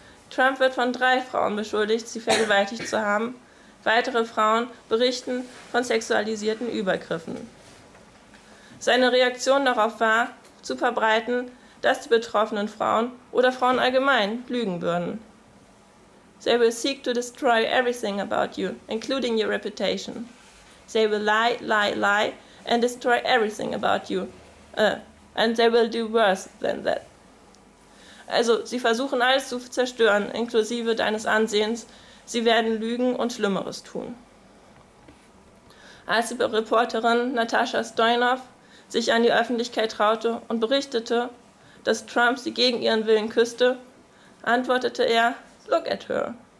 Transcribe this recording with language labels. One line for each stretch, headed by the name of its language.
German: Trump wird von 3 Frauen beschuldigt, sie vergewaltigt zu haben. Weitere Frauen berichten von sexualisierten Übergriffen. Seine Reaktion darauf war, zu verbreiten, dass die betroffenen Frauen oder Frauen allgemein lügen würden.
English: They will seek to destroy everything about you, including your reputation. They will lie, lie, lie and destroy everything about you. And they will do worse than that.
German: Also, sie versuchen alles zu zerstören, inklusive deines Ansehens. Sie werden lügen und Schlimmeres tun. Als die Reporterin Natasha Stoyanov sich an die Öffentlichkeit traute und berichtete, dass Trump sie gegen ihren Willen küsste, antwortete er,
English: "Look at her.